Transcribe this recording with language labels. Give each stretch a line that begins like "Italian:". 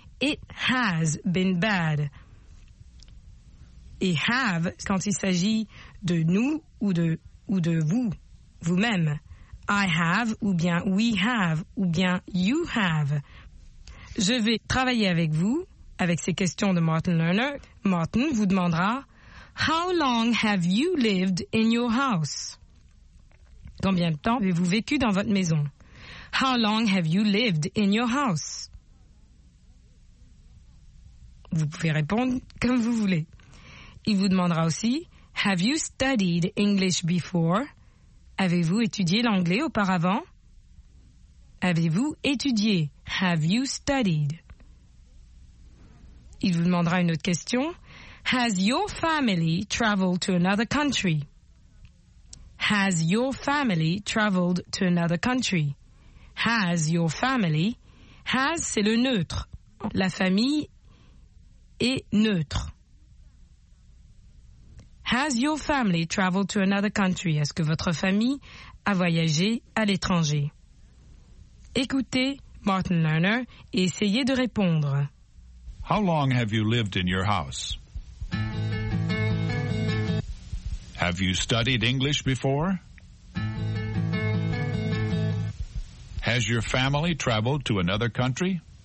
English: It has been bad.
French: Et have quand il s'agit de nous ou de vous, vous-même.
English: I have ou bien we have ou bien you have.
French: Je vais travailler avec vous, avec ces questions de Martin Lerner. Martin vous demandera,
English: how long have you lived in your house?
French: Combien de temps avez-vous vécu dans votre maison?
English: How long have you lived in your house?
French: Vous pouvez répondre comme vous voulez. Il vous demandera aussi,
English: have you studied English before?
French: Avez-vous étudié l'anglais auparavant? Avez-vous étudié?
English: Have you studied?
French: Il vous demandera une autre question.
English: Has your family traveled to another country? Has your family traveled to another country? Has your family? Has,
French: c'est le neutre. La famille est neutre.
English: Has your family traveled to another country?
French: Est-ce que votre famille a voyagé à l'étranger? Écoutez Martin Lerner et essayez de répondre.
English: How long have you lived in your house? Have you studied English before? Has your family traveled to another country?